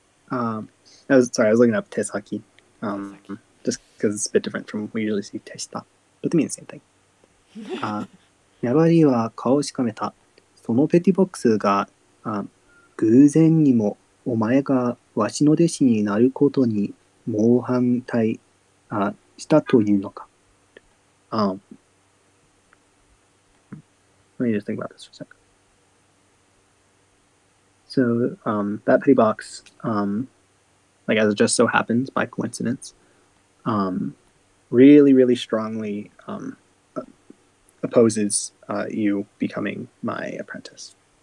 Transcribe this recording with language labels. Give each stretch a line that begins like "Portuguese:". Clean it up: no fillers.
English: I was looking up tesaki, just because it's a bit different from what we usually see teshita, but they mean the same thing.
Japanese: ヤバリは顔をしかめた。そのペティボックスが、偶然にもお前がわしの弟子になることに猛反対したというのか。
English: Let me just think about this for a second. So, that petty box, like as it just so happens by coincidence, really, really strongly, opposes, you becoming my apprentice.